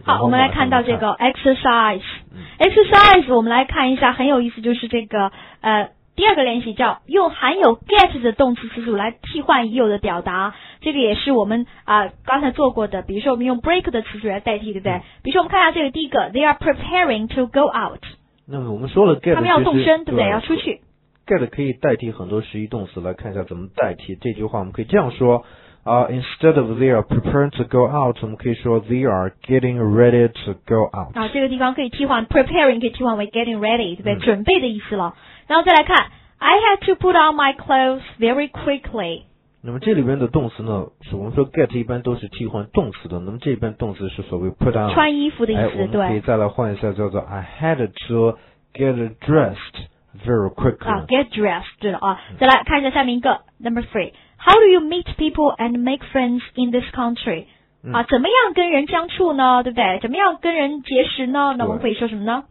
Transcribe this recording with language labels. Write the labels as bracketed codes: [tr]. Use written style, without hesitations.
[zh] 好，我们来看到这个 exercise， 我们来看一下，很有意思，就是这个第二个练习叫用含有 get 的动词词组来替换已有的表达，这个也是我们刚才做过的，比如说我们用 break 的词组来代替，对不对？比如说我们看一下这个第一个 ， [en] they are preparing to go out。 [zh] 那么我们说了 get，他们要动身，对不对？要出去。 get 可以代替很多实义动词，来看一下怎么代替。这句话我们可以这样说。 [en] Instead of they are preparing to go out， [zh] 我们可以说 [en] they are getting ready to go out。 [zh] 这个地方可以替换 preparing， 可以替换为 getting ready， 对不对？准备的意思了。然后再来看 [en] ，I had to put on my clothes very quickly。 [zh] 那么这里边的动词呢，我们说 get 一般都是替换动词的，那么这边动词是所谓 put on，穿衣服的意思，对。我们可以再来换一下，叫做 [en] I had to get dressed very quickly。 [zh] get dressed， 对了再来看一下下面一个 number three。 [en] How do you meet people and make friends in this country？ [zh] 怎么样跟人相处呢？对不对？怎么样跟人结识呢？那我们可以说什么呢？